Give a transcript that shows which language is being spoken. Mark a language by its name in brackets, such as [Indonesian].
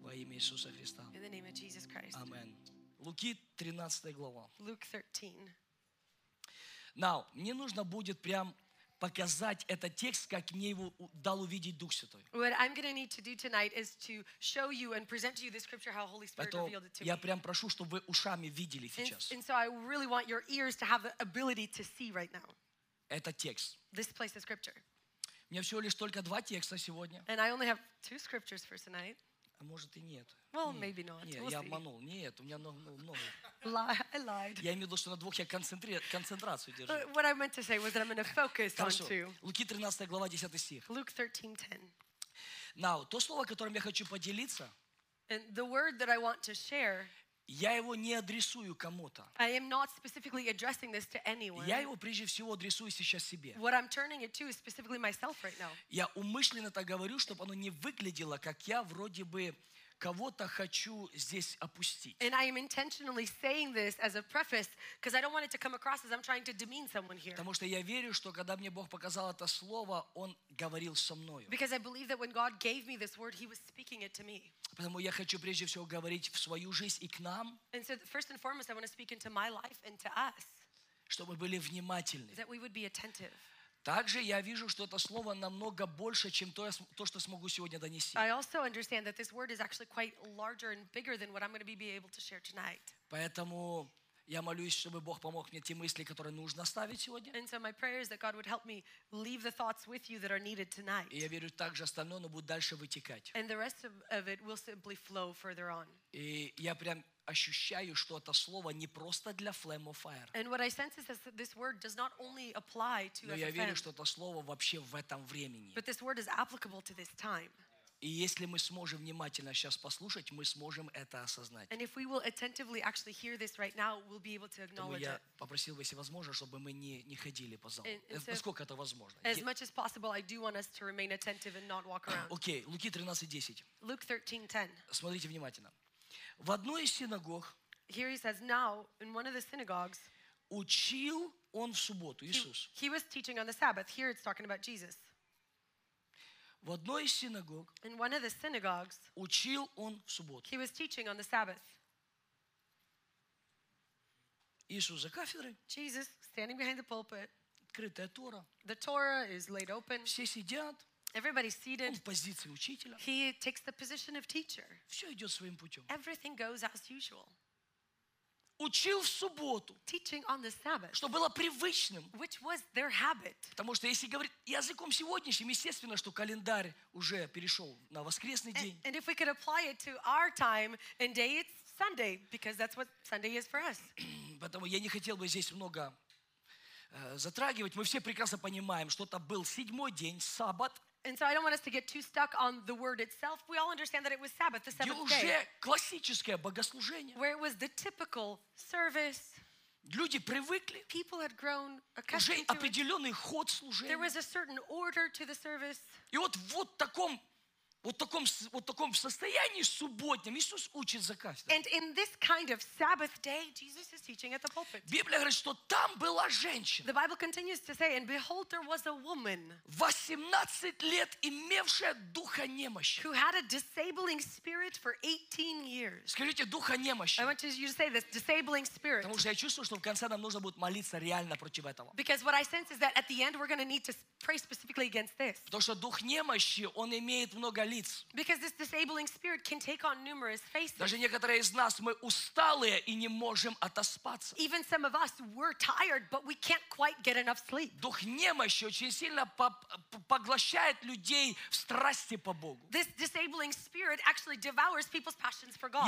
[English] In the name of Jesus Christ. [Russian] Amen. Луки 13 глава. [English] Luke 13. [Russian] Now, мне нужно будет прям показать этот текст, как мне его дал увидеть Дух Святой. [English] What I'm going to need to do tonight is to show you and present to you this scripture how Holy Spirit revealed it to me. [Russian] Я прям прошу, чтобы вы ушами видели сейчас. [English] And so I really want your ears to have the ability to see right now. [Russian] Этот текст. [English] This place of scripture. [Russian] У меня всего лишь только два текста сегодня. [English] And I only have two scriptures for tonight. [Russian] А может и нет. [English] Well, [Russian] нет. [English] Maybe not. [Russian] Нет, [English] we'll [Russian] я [English] see. [Russian] Обманул. Нет, у меня много. [English] I lied. [Russian] Я имею в виду, что на двух я концентрацию держу. [English] But what I meant to say was that I'm going to focus on two. [Russian] Луки 13, глава 10 стих. [English] Luke 13, 10. [Russian] Now, то слово, которым я хочу поделиться, [English] and the word that I want to share, [Russian] я его не адресую кому-то. [English] I am not specifically addressing this to anyone. [Russian] Я его прежде всего адресую сейчас себе. [English] What I'm turning it to is specifically myself right now. [Russian] Я умышленно так говорю, чтобы оно не выглядело, как я вроде бы кого-то хочу здесь опустить. [English] And I am intentionally saying this as a preface because I don't want it to come across as I'm trying to demean someone here. [Russian] Потому что я верю, что когда мне Бог показал это слово, Он говорил со мною. [English] Because I believe that when God gave me this word, He was speaking it to me. [Russian] Поэтому я хочу прежде всего говорить в свою жизнь и к нам. [English] And so first and foremost, I want to speak into my life and to us. [Russian] Чтобы были внимательны. [English] That we would be attentive. [Russian] Также я вижу, что это слово намного больше, чем то, что смогу сегодня донести. [English] I also understand that this word is actually quite larger and bigger than what I'm going to be able to share tonight. [Russian] Поэтому я молюсь, чтобы Бог помог мне те мысли, которые нужно оставить сегодня. [English] And so my prayer is that God would help me leave the thoughts with you that are needed tonight. [Russian] И я верю, также остальное, но будет дальше вытекать. [English] And the rest of it will simply flow further on. [Russian] И я прям ощущаю, что это слово не просто для Flame of Fire. [English] And what I sense is that this word does not only apply to FFM. [Russian] Но я верю, что это слово вообще в этом времени. [English] But this word is applicable to this time. [Russian] И если мы сможем внимательно сейчас послушать, мы сможем это осознать. [English] And if we will attentively actually hear this right now, we'll be able to acknowledge it. [Russian] Я попросил бы, если возможно, чтобы мы не ходили по залу. Насколько это возможно? [English] As much as possible, I do want us to remain attentive and not walk around. [Russian] Окей, Луки 13:10. [English] Luke 13:10. [Russian] Смотрите внимательно. В одной из синагог. [English] Here he says, now in one of the synagogues. [Russian] Учил он в субботу Иисус. [English] He was teaching on the Sabbath. Here it's talking about Jesus. [Russian] В одной из синагог. [English] In one of the synagogues. [Russian] Учил он в субботу. [English] He was teaching on the Sabbath. [Russian] Иисус за кафедрой. [English] Jesus standing behind the pulpit. [Russian] Открытая Тора. [English] The Torah is laid open. [Russian] Все сидят. [English] Everybody's seated. [Russian] Он в позиции учителя. [English] He takes the position of teacher. [Russian] Все идет своим путем. [English] Everything goes as usual. [Russian] Учил в субботу. [English] Teaching on the Sabbath. [Russian] Что было привычным. [English] Which was their habit. [Russian] Потому что если говорить языком сегодняшним, естественно, что календарь уже перешел на воскресный день. [English] And if we could apply it to our time and day, it's Sunday, because that's what Sunday is for us. [Russian] Поэтому я не хотел бы здесь много затрагивать. Мы все прекрасно понимаем, что это был седьмой день, саббат. [English] And so I don't want us to get too stuck on the word itself. We all understand that it was Sabbath, the seventh [Russian] уже [English] day. [Russian] Классическое богослужение. [English] Where it was the typical service. [Russian] Люди привыкли. [English] People had grown accustomed [Russian] уже определенный [English] to it. [Russian] Ход служения. [English] There was a certain order to the service. [Russian] И вот в таком состоянии субботнем Иисус учит за кафедрой. [English] And in this kind of Sabbath day, Jesus is teaching at the pulpit. [Russian] Библия говорит, что там была женщина. [English] The Bible continues to say, and behold, there was a woman. [Russian] 18 лет имевшая духа немощи. [English] Who had a disabling spirit for 18 years. [Russian] Скажите, духа немощи. [English] I want you to say this, disabling spirit. [Russian] Потому что я чувствую, что в конце нам нужно будет молиться реально против этого. [English] Because what I sense is that at the end we're going to need to pray specifically against this. [Russian] Потому что дух немощи, он имеет много лиц. лиц. [English] Because this disabling spirit can take on numerous faces. [Russian] Даже некоторые из нас мы усталые и не можем отоспаться. [English] Even some of us were tired, but we can't quite get enough sleep. [Russian] Дух немощи очень сильно поглощает людей в страсти по Богу. [English] This disabling spirit actually devours people's passions for God.